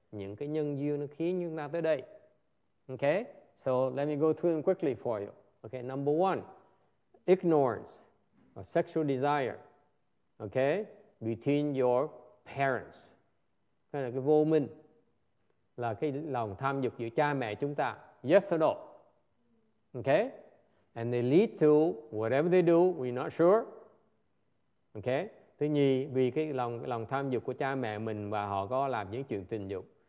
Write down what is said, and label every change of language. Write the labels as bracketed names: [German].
[Vietnamese] Những cái nhân duyên nó khiến chúng ta tới đây. [English] Okay? So let me go through them quickly for you. Okay, number one, ignorance or sexual desire. Okay, between your parents. [Vietnamese] Cái là cái vô minh, là cái lòng tham dục giữa cha mẹ chúng ta. [English] Yes or no? Okay? And they lead to whatever they do, we're not sure. Okay? [Vietnamese] Thứ nhì, vì cái lòng tham dục của cha mẹ mình và họ có làm những chuyện tình dục.